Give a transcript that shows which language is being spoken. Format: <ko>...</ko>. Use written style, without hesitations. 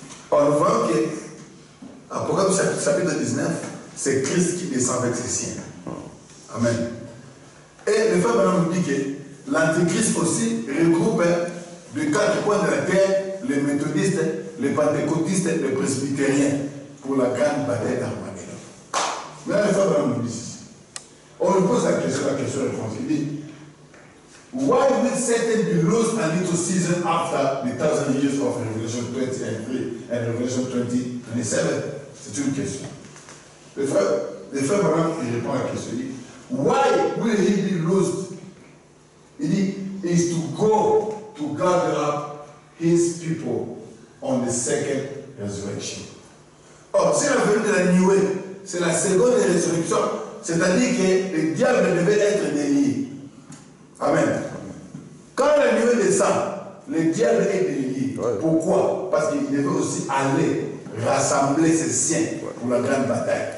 <fr>On voit que Apocalypse chapitre 19, c'est Christ qui descend avec ses siens. Amen. Et le frère Branham nous dit que l'Antichrist aussi regroupe de quatre coins de la terre les méthodistes, les pentecôtistes, les presbytériens pour la grande bataille d'Armageddon. Mais le frère Branham nous dit ceci. On lui pose la question de France. Il dit:</fr> <en>Why will Satan be lost a little season after the thousand years of Revelation 23 and Revelation 27?</en> <fr>C'est une question. Le frère Branham, il répond à la question. Il dit:</fr> <en>Why will he be lost?</en> <fr>Il dit:</fr> <en>Is to go to gather up his people on the second resurrection.</en> <fr>Or, si la venue de la nuée, c'est la seconde résurrection, c'est-à-dire que le diable devait être délié. Amen. Quand la nuée descend, le diable est délié. Ouais. Pourquoi? Parce qu'il devait aussi aller rassembler ses siens pour la grande bataille.</fr>